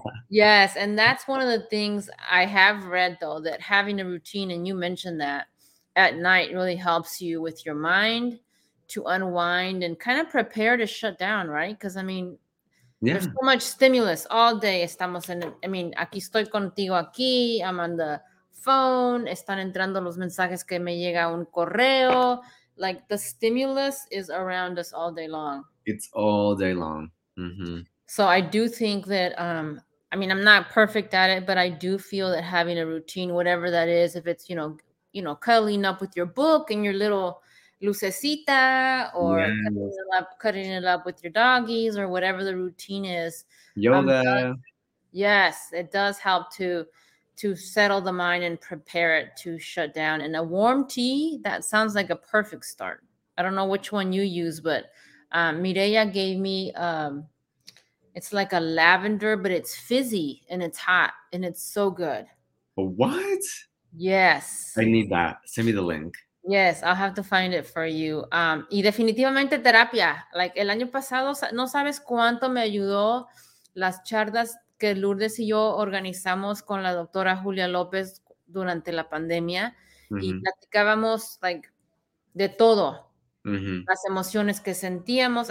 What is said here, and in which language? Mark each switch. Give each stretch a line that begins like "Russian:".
English: Yes, and that's one of the things I have read, though, that having a routine, and you mentioned that, at night really helps you with your mind to unwind and kind of prepare to shut down, right? Because, I mean, yeah, there's so much stimulus all day.
Spanish: Estamos en,
English: I mean,
Spanish: aquí estoy contigo aquí.
English: I'm on the phone.
Spanish: Están entrando los mensajes que me llega un correo.
English: Like, the stimulus is around us all day long. It's all day long. Mm-hmm. So I do think that, I mean, I'm not perfect at it, but I do feel that having a routine, whatever that is, if it's, you know, cuddling up with your book and your little lucecita, or cutting it up with your doggies, or whatever the routine is. Yoga. Yes, it does help to settle the mind and prepare it to shut down. And a warm tea, that sounds like a perfect start. I don't know which one you use, but Mireya gave me, it's like a lavender, but it's fizzy and it's hot and it's so good. What? Yes. I need that. Send me the link. Yes, I'll have to find it for you.
Spanish: Y definitivamente terapia. Like, el año pasado, no sabes cuánto me ayudó las charlas que Lourdes y yo organizamos con la doctora Julia López durante la pandemia. Mm-hmm. Y platicábamos, like, de todo. Mm-hmm. Las emociones que sentíamos.